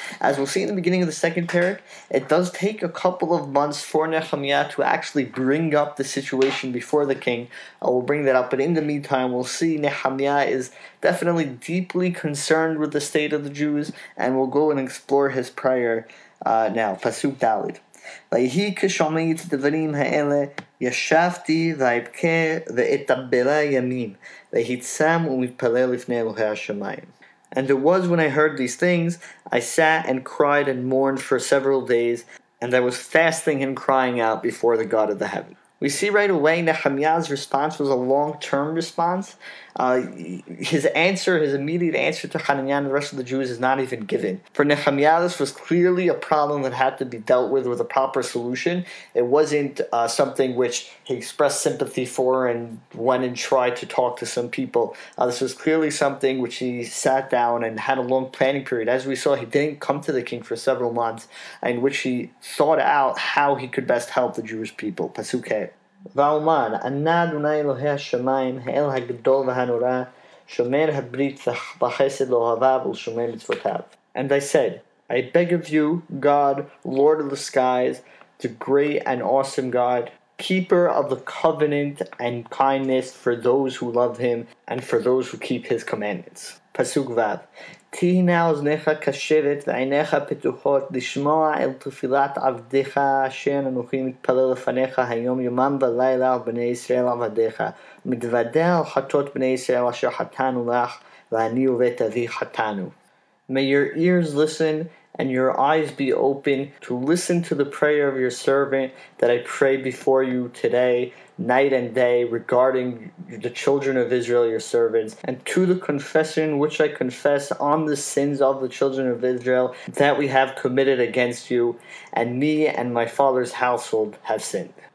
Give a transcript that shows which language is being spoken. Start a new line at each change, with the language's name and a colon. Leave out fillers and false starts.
English: As we'll see in the beginning of the second Perek, it does take a couple of months for Nehemiah to actually bring up the situation before the king. We'll bring that up, but in the meantime, we'll see Nehemiah is definitely deeply concerned with the state of the Jews, and we'll go and explore his prayer now. Pasuk Dalet.
Hebrew: ויהי כשומעי את הדברים האלה, ישבתי ואבכה ואתאבלה ימים, ויהי צם ומתפלל לפני אלוהי השמיים.
English: And it was when I heard these things, I sat and cried and mourned for several days, and that was fasting and crying out before the God of the heaven. We see right away Nehemiah's response was a long-term response. His immediate answer to Hananiah and the rest of the Jews is not even given. For Nehemiah, this was clearly a problem that had to be dealt with a proper solution. It wasn't something which he expressed sympathy for and went and tried to talk to some people. This was clearly something which he sat down and had a long planning period. As we saw, he didn't come to the king for several months, in which he thought out how he could best help the Jewish people. Pasuke.
Hebrew: ואומר, ענה אדוני אלוהי השמיים, האל הגדול והנורא, שומר הברית בחסד לאוהביו ולשומר מצוותיו.
English: And I said, I beg of you, God, Lord of the skies, the great and awesome God, keeper of the covenant and kindness for those who love him and for those who keep his commandments.
Hebrew: פסוק ו' תהי נא אוזניך קשבת ועיניך פתוחות לשמוע אל תפילת עבדיך אשר אנוכי מתפלל לפניך היום יומם ולילה על בני ישראל עבדיך מתוודה על חטאות בני ישראל אשר חטאנו לך ואני ובית אבי חטאנו.
English: May your ears listen and your eyes be open to listen to the prayer of your servant that I pray before you today, night and day, regarding the children of Israel, your servants, and to the confession which I confess on the sins of the children of Israel that we have committed against you, and me and my father's household have sinned.